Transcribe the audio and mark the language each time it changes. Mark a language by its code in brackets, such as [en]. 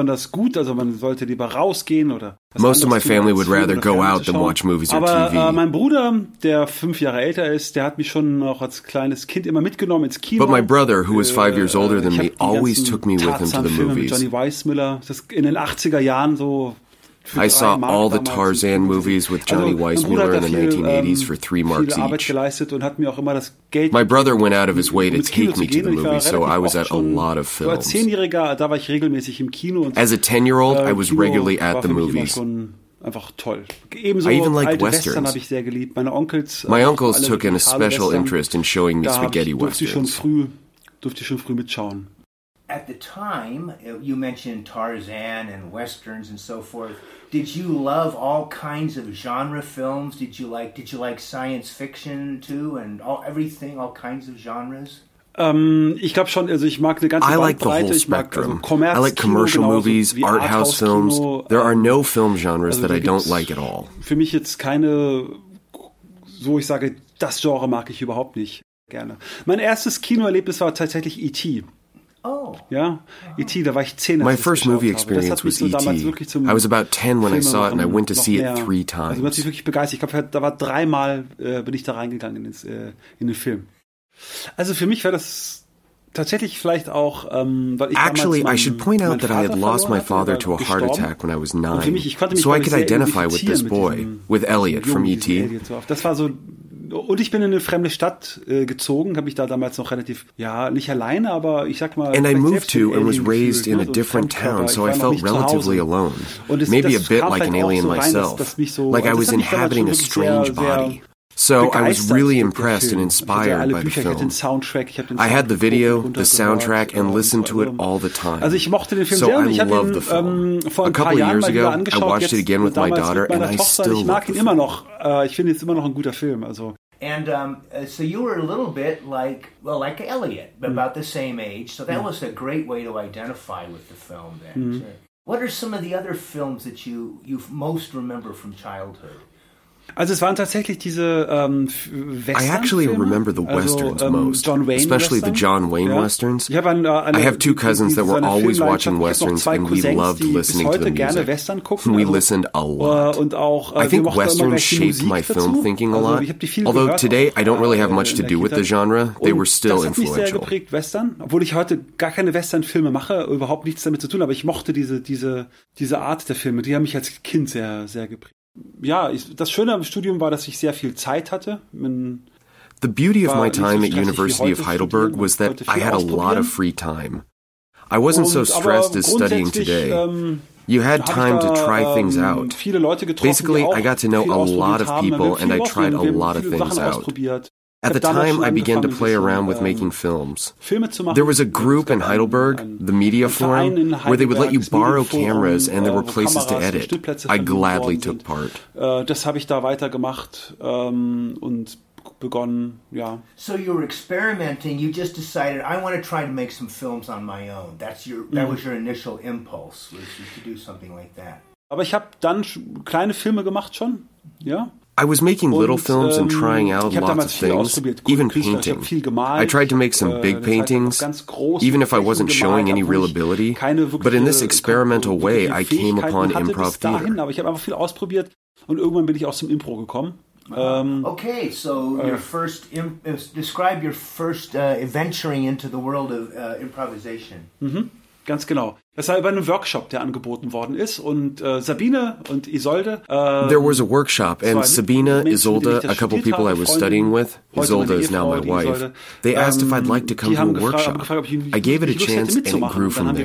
[en] Most of my family would rather go out than watch movies or TV. [de] Mein Bruder, der 5 Jahre älter ist, der hat mich schon auch als kleines Kind immer mitgenommen ins Kino. [en] But my brother, who was 5 years older than me, always took me with him to the movies. [de] Johnny Weissmuller, das in den 80er Jahren so. [en] I saw all the Tarzan movies with Johnny Weissmuller in the 1980s for 3 marks each. My brother went out of his way to take me to the movies, so I was at a lot of films. As a 10-year-old, I was regularly at the movies. [de] Einfach toll. Ebenso [en] I even liked westerns. [de] Ich sehr geliebt. Meine Onkels, [en] my uncles took an especial interest in showing me spaghetti westerns. [de] Durfte ich schon früh mitschauen. [en] At the time, you mentioned Tarzan and westerns and so forth. Did you love all kinds of genre films? Did you like science fiction too, and all kinds of genres? [de] Ich glaube schon, also ich mag eine ganze Bandbreite. [en] I like the whole spectrum. I like commercial movies, art house films. There are no film genres that I don't like at all. [de] Für mich jetzt keine, so ich sage, das Genre mag ich überhaupt nicht gerne. Mein erstes Kinoerlebnis war tatsächlich E.T. Oh. Yeah. E.T., da war ich 10, [en] my first movie experience was E.T. I was about 10 when I saw it, and I went to see it 3 times. [de] Also, man hat sich wirklich begeistert. Ich glaube, da war 3 Mal bin ich da reingegangen in den Film. Also für mich war das tatsächlich vielleicht auch, weil ich [en] actually, I should point out that I had lost my father to a heart attack when I was 9. [de] Für mich, ich konnte mich [en] so I could identify with this boy, with Elliot from E.T. [de] Das war so. Und ich bin in eine fremde Stadt gezogen, habe mich da damals noch relativ, ja, nicht alleine, aber ich sag mal. [en] And I moved to and was raised in a different town, so I felt relatively alone. Maybe a bit like an alien myself. Like I was inhabiting a strange body. So I was really impressed and inspired by the film. I had the video, the soundtrack, and listened to it all the time. [de] Also ich mochte den Film sehr, und ich habe ihn vor ein paar Jahren mal wieder angeschaut. [en] I watched it again with my daughter, and I still love it. [de] Ich mag ihn immer noch. Ich finde es immer noch ein guter Film. Also. [en] And so you were a little bit like Elliot, about the same age. So that was a great way to identify with the film then. Mm. What are some of the other films that you most remember from childhood? [de] Also es waren tatsächlich diese Western-Filme. [en] I actually remember the westerns most, especially the John Wayne westerns. I have 2 cousins that were always watching westerns, and we loved listening to the music. And we listened a lot. I think westerns shaped my film thinking a lot. Although today I don't really have much to do with the genre, they were still influential. [de] Das hat mich sehr geprägt, Western, obwohl ich heute gar keine Western-Filme mache, überhaupt nichts damit zu tun, aber ich mochte diese Art der Filme, die haben mich als Kind sehr, sehr geprägt. Ja, das Schöne am Studium war, dass ich sehr viel Zeit hatte. Man [en] the beauty of my time at University of Heidelberg was that I had a lot of free time. I wasn't so stressed as studying today. You had time to try things out. [de] Viele Leute getroffen, [en] basically, [de] auch [en] I got to know a lot of people and I tried a lot of things out. At the time, I began to play around with making films. There was a group in Heidelberg, the Media Forum, where they would let you borrow cameras and there were places to edit. I gladly took part. [de] Das habe ich da weitergemacht und begonnen, ja. [en] So you were experimenting, you just decided, I want to try to make some films on my own. That was your initial impulse, was to do something like that. [de] Aber ich habe dann kleine Filme gemacht schon, ja. [en] I was making little films and trying out lots of things, even painting. I tried to make some big paintings, even if I wasn't showing any real ability, but in this experimental way, I came upon improv theater. [de] Und irgendwann bin ich auch zum Impro gekommen. [en] Okay, so your first describe your first venturing into the world of improvisation. [de] Mhm, ganz genau. Das war über einen Workshop, der angeboten worden ist. Und Sabine und Isolde. [en] There was a workshop, and Sabine, Isolde, a couple people I was studying with, Isolde is now my wife, they asked if I'd like to come to a workshop. I gave it a chance, and it grew from there.